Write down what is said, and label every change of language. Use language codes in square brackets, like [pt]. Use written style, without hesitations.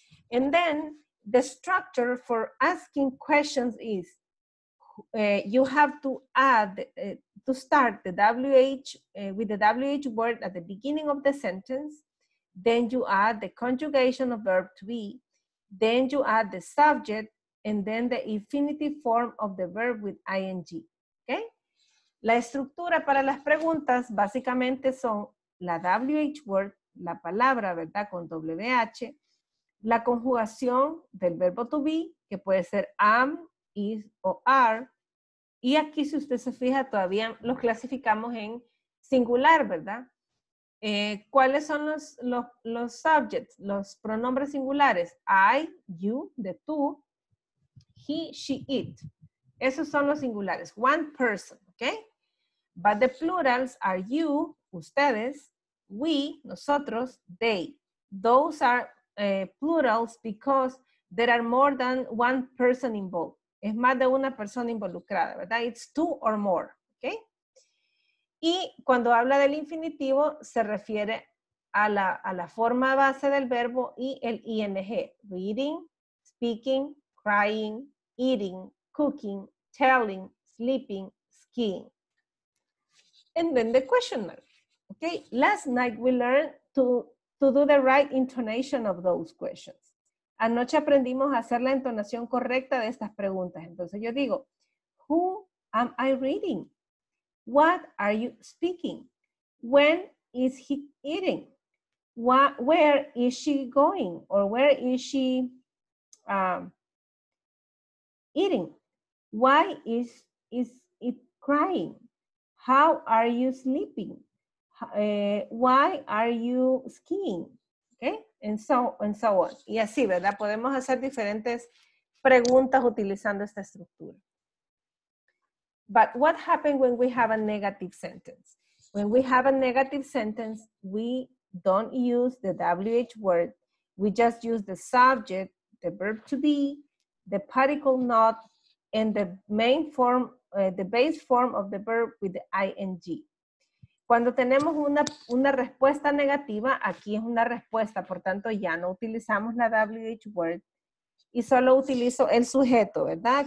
[en] And then the structure for asking questions is you have to add, to start the WH, with the WH word at the beginning of the sentence. Then you add the conjugation of verb to be. Then you add the subject and then the infinitive form of the verb with ing. Okay? [es] La estructura para las preguntas básicamente son la WH word, la palabra, ¿verdad? Con WH, la conjugación del verbo to be, que puede ser am, is o are, y aquí si usted se fija todavía los clasificamos en singular, ¿verdad? ¿Cuáles son los subjects, los pronombres singulares? [en] I, you, the tú, he, she, it. [es] Esos son los singulares, [en] one person, ¿ok? But the plurals are you, ustedes, we, nosotros, they. Those are plurals because there are more than one person involved. [es] Es más de una persona involucrada, ¿verdad? [en] It's two or more, [es] ¿ok? Y cuando habla del infinitivo, se refiere a la forma base del verbo y el ing. [en] Reading, speaking, crying, eating, cooking, telling, sleeping, skiing. And then the question mark. Okay, last night we learned to do the right intonation of those questions. [es] Anoche aprendimos a hacer la entonación correcta de estas preguntas. Entonces yo digo, [en] who am I reading? What are you speaking? When is he eating? Where is she going? Or where is she eating? Why is it crying? How are you sleeping? Why are you skiing? Okay, and so on. [es] Y así, ¿verdad? Podemos hacer diferentes preguntas utilizando esta estructura. [en] But what happens when we have a negative sentence? When we have a negative sentence, we don't use the WH word. We just use the subject, the verb to be, the particle not, and the main form the base form of the verb with the ing. [es] Cuando tenemos una respuesta negativa, aquí es una respuesta, por tanto ya no utilizamos la WH word y solo utilizo el sujeto, ¿verdad?